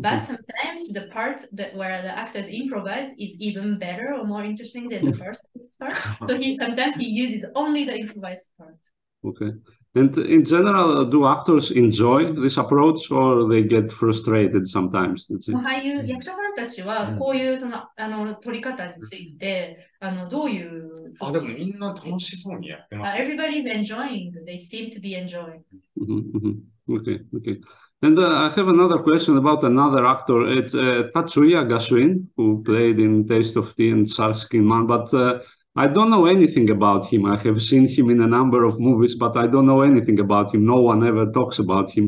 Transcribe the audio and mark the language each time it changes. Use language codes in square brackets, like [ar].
[en] But sometimes the part that where the actors improvised is even better or more interesting than the first part. So sometimes he uses only the improvised part. Okay. And in general, do actors enjoy this approach or they get frustrated sometimes? [ja] 俳優、役者さんたちはこういうその、撮り方について、どういう… あ、でもみんな楽しそうにやってます。 [en] Everybody's enjoying. They seem to be enjoying. Okay. And、I have another question about another actor. It's、Tatsuya Gashuin, who played in Taste of Tea and Sarskin Man, but...、I don't know anything about him. I have seen him in a number of movies, but I don't know anything about him. No one ever talks about him.